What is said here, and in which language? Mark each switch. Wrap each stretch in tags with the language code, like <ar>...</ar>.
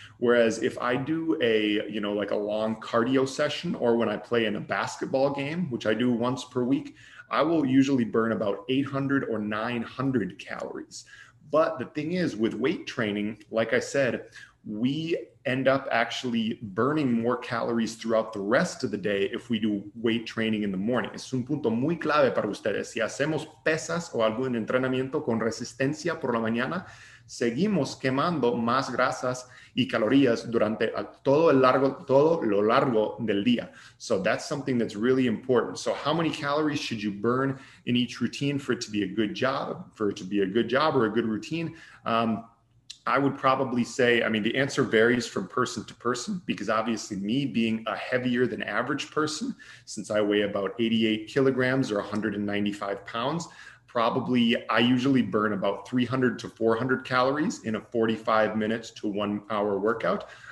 <en>Whereas if I do a, you know, like a long cardio session or when I play in a basketball game, which I do once per week, I will usually burn about 800 or 900 calories. But the thing is, with weight training, like I said, we end up actually burning more calories throughout the rest of the day if we do weight training in the morning.</en> <es>Es un punto muy clave para ustedes. Si hacemos pesas o algún entrenamiento con resistencia por la mañana, seguimos quemando más grasas y calorías durante todo lo largo del día.</es> <en>So that's something that's really important. So how many calories should you burn in each routine for it to be a good job, or a good routine? I would probably say, I mean, the answer varies from person to person because obviously me being a heavier than average person, since I weigh about 88 kilograms or 195 pounds, probably I usually burn about 300 to 400 calories in a 45 minutes to 1 hour workout.</en>